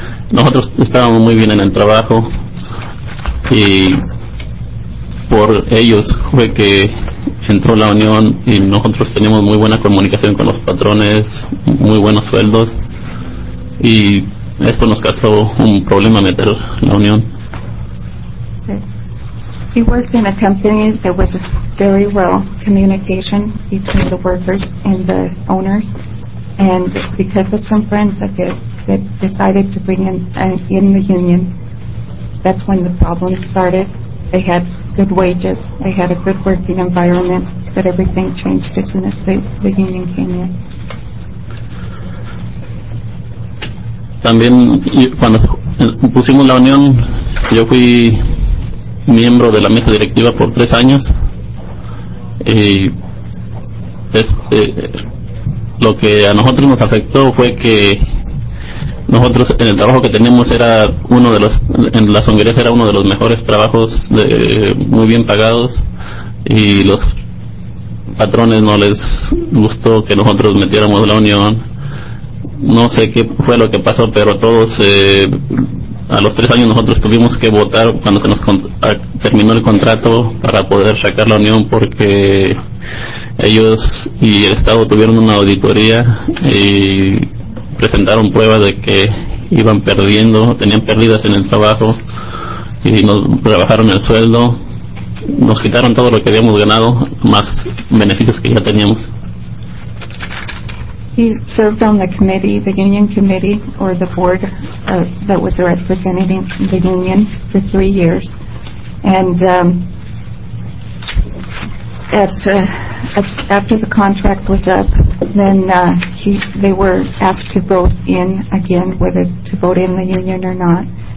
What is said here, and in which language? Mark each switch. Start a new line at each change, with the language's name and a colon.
Spanish: Nosotros estábamos muy bien en el trabajo y por ellos fue que entró la unión y nosotros teníamos muy buena comunicación con los patrones, muy buenos sueldos, y esto nos causó un problema meter la unión.
English: He worked in a company that was very well communication between the workers and the owners, and because of some friends of his that decided to bring in the union, that's when the problem started. They had good wages, they had a good working environment, but everything changed as soon as the union came in.
Spanish: También cuando pusimos la unión, yo fui miembro de la mesa directiva por 3 años y lo que a nosotros nos afectó fue que nosotros en el trabajo que teníamos era uno de los, en las hongueras era uno de los mejores trabajos, de muy bien pagados, y los patrones no les gustó que nosotros metiéramos la unión. No sé qué fue lo que pasó, pero todos a los 3 años nosotros tuvimos que votar cuando se nos terminó el contrato para poder sacar la unión, porque ellos y el Estado tuvieron una auditoría y presentaron pruebas de que iban perdiendo, tenían pérdidas en el trabajo, y nos rebajaron el sueldo, nos quitaron todo lo que habíamos ganado más beneficios que ya teníamos.
English: He served on the committee, the union committee, or the board that was representing the union for 3 years. And after the contract was up, then they were asked to vote in again, whether to vote in the union or not.